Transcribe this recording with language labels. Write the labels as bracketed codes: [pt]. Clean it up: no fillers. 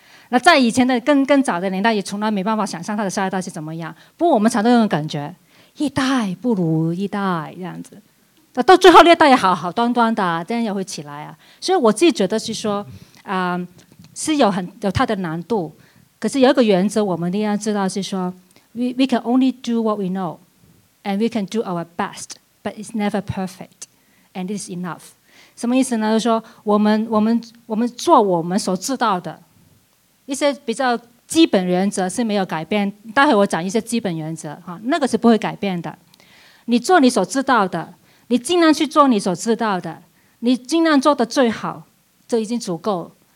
[zh] 那在以前的更早的年代，也从来没办法想象他的下一代是怎么样。不过我们常常有种感觉，一代不如一代这样子。那到最后那代也好好端端的、啊，这样也会起来啊。所以我自己觉得是说，是有它的难度。可是有一个原则，我们一定要知道是说 ， [en] we can only do what we know， and we can do our best。 But it's never perfect, and it's enough. [zh] 什么意思呢？就是说我们做我们所知道的一些比较基本原则是没有改变。待会我讲一些基本原则哈，那个是不会改变的。你做你所知道的，你尽量去做你所知道的，你尽量做的最好，这已经足够。